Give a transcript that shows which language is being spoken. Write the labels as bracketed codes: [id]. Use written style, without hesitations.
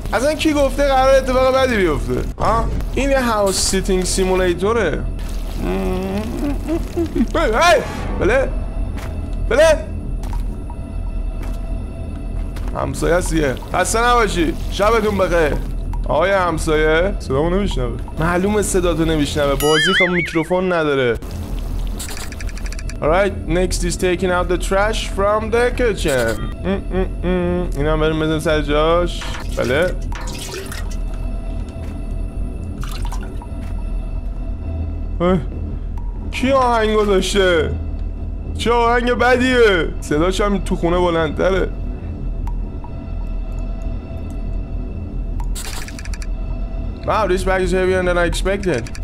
[fa] اصلا کی گفته قرار اتفاق بعدی بیفته آه؟ این یه هاوس سیتینگ سیمولیتوره بله بلند. همسایه سیه خسته نباشی، شبتون بخیر. آقای همسایه صدامو نمیشنوه. معلومه صداتو نمیشنوه، بازی خب میکروفون نداره. [en] Alright, next is taking out the trash from the kitchen. [fa] این هم بریم بزن سر جاش. بله. کی آهنگ گذاشته؟ چه آهنگ بدیه؟ صداش هم تو خونه بلندتره. [en] Wow, this bag is heavier than I expected.